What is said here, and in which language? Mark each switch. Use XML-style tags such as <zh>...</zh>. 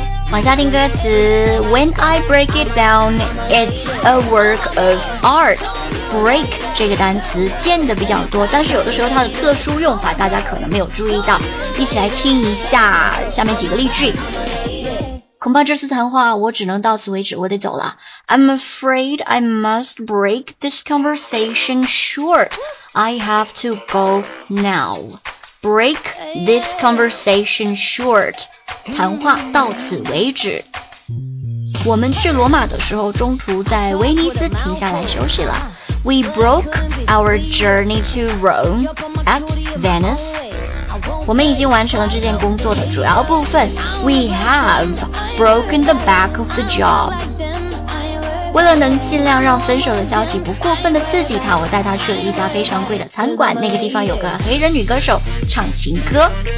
<zh>往下听歌词</zh> <en>When I break it down, it's a work of art.</en> <zh>Break 这个单词见得比较多，但是有的时候它的特殊用法大家可能没有注意到，一起来听一下下面几个例句。恐怕这次谈话我只能到此为止，我得走了。</zh> <en>I'm afraid I must break this conversation short. I have to go now. Break this conversation short.</en> <zh>谈话到此为止。我们去罗马的时候中途在威尼斯停下来休息了。</zh> <en>We broke our journey to Rome at Venice.</en> <zh>我们已经完成了这件工作的主要部分。</zh> <en>We have broken the back of the job.</en> <zh>为了能尽量让分手的消息不过分的刺激他，我带他去了一家非常贵的餐馆，那个地方有个黑人女歌手唱情歌。</zh>